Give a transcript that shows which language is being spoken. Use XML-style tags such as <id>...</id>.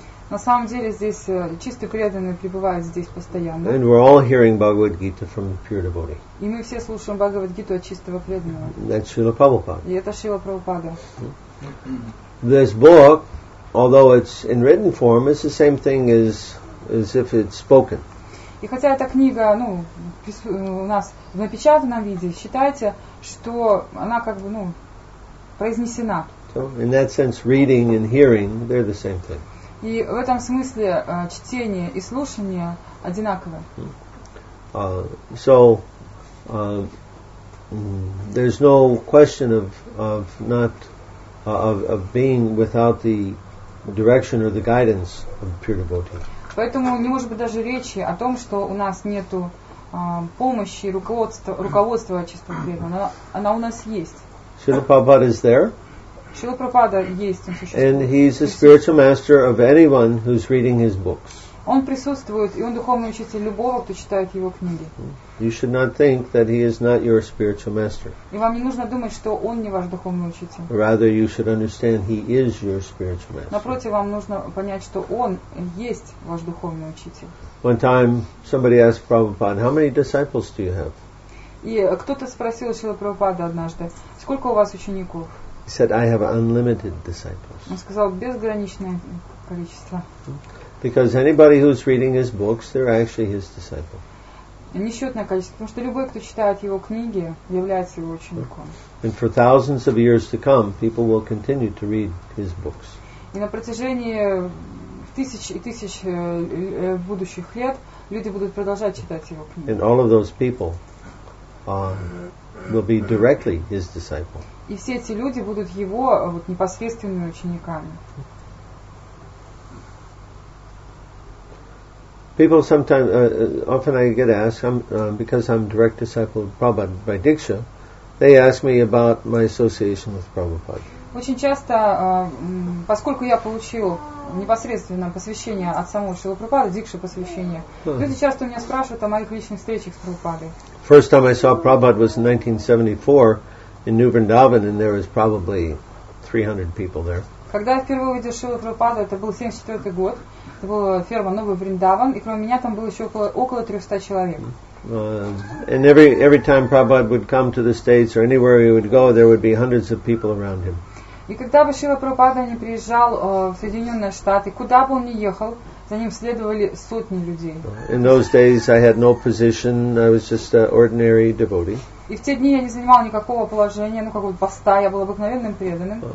<ru>На самом деле здесь чистые преданные пребывают здесь постоянно.</ru> <en>And we're all hearing Bhagavad Gita from pure devotee.</en> <ru>И мы все слушаем Бхагавад Гиту от чистого преданного.</ru> <en>That's Srila Prabhupada.</en> <ru>И это Шрила Прабхупада.</ru> <en>This book, although it's in written form, is the same thing as if it's spoken.</en> <ru>И хотя эта книга, ну, у нас в напечатанном виде, считайте, что она как бы, ну, произнесена.</ru> <en>So in that sense, reading and hearing, they're the same thing.</en> <ru>И в этом смысле чтение и слушание одинаковы.</ru> <en>There's no question of not of being without the direction or the guidance of the pure devotee.</en> <ru>Поэтому не может быть даже речи о том, что у нас нету помощи, руководства чистого преданного. Она у нас есть.</ru> <en>Шрила Прабхупада is there.</en> <ru>Шрила Прабхупада есть.</ru> <en>And he's a spiritual master of anyone who's reading his books.</en> <ru>Он присутствует, и он духовный учитель любого, кто читает его книги.</ru> <en>You should not think that he is not your spiritual master.</en> <ru>И вам не нужно думать, что он не ваш духовный учитель.</ru> <en>Rather, you should understand he is your spiritual master.</en> <ru>Напротив, вам нужно понять, что он есть ваш духовный учитель.</ru> <en>One time, somebody asked Prabhupada, "How many disciples do you have?"</en> <ru>И кто-то спросил Шрилу Прабхупаду однажды, сколько у вас учеников?</ru> <en>He said, "I have unlimited disciples."</en> <ru>Он сказал безграничное количество.</ru> <en>Because anybody who's reading his books, they're actually his disciple.</en> <ru>Несчетное количество, потому что любой, кто читает его книги, является его учеником.</ru> <en>And for thousands of years to come, people will continue to read his books.</en> <ru>И на протяжении тысяч и тысяч будущих лет люди будут продолжать читать его книги.</ru> <en>And all of those people will be directly his disciple.</en> <ru>И все эти люди будут его вот непосредственными учениками.</ru> <en>People sometimes, often I get asked, because I'm direct disciple of Prabhupada by Diksha, they ask me about my association with Prabhupada.</en> <ru>Очень часто, поскольку я получил непосредственно посвящение от самого Шрилы Прабхупады, Дикша посвящение, люди часто меня спрашивают о моих личных встречах с Прабхупадой.</ru> <en>First time I saw Prabhupada was in 1974 in New Vrindavan, and there was probably 300 people there.</en> <ru>Когда я впервые увидел Шрилу Прабхупаду, это был 1974 год, это была ферма Новый Вриндаван, и кроме меня там было еще около 300 человек.</ru> <en>And every time Prabhupada would come to the States or anywhere he would go, there would be hundreds of people around him.</en> <ru>И когда бы Шрила Прабхупада не приезжал в Соединенные Штаты, куда бы он ни ехал, за ним следовали сотни людей.</ru> <en>In those days I had no position, I was just an ordinary devotee.</en> <ru>И в те дни я не занимал никакого положения, ну как бы поста, я был обыкновенным преданным.</ru>